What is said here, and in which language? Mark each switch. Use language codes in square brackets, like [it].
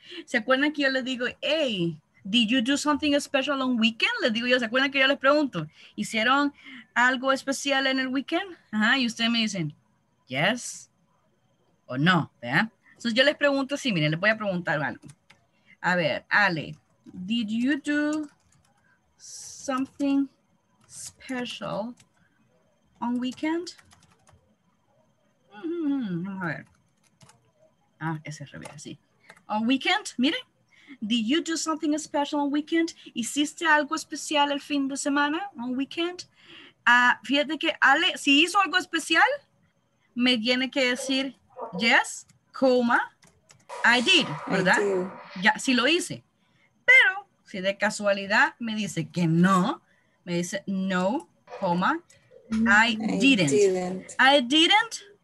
[es] ¿Se acuerdan que yo les digo, [en] hey, did you do something special on weekend? [es] Les digo yo, ¿se acuerdan que yo les pregunto? ¿Hicieron algo especial en el weekend? Ajá, y ustedes me dicen, yes o no, ¿verdad? Entonces yo les pregunto, sí, miren, les voy a preguntar algo. A ver, [en] Ale, did you do something special on weekend? [es] Mm-hmm. Vamos a ver. Ah, ese es revés, sí. On weekend, miren. [en] Did you do something special on weekend? [es] ¿Hiciste algo especial el fin de semana? On weekend. Fíjate que Ale, si hizo algo especial, me tiene que decir yes, coma, [en] I did, [es] ¿verdad? Ya, sí lo hice. Pero si de casualidad me dice que no, me dice no, coma, [en] I didn't.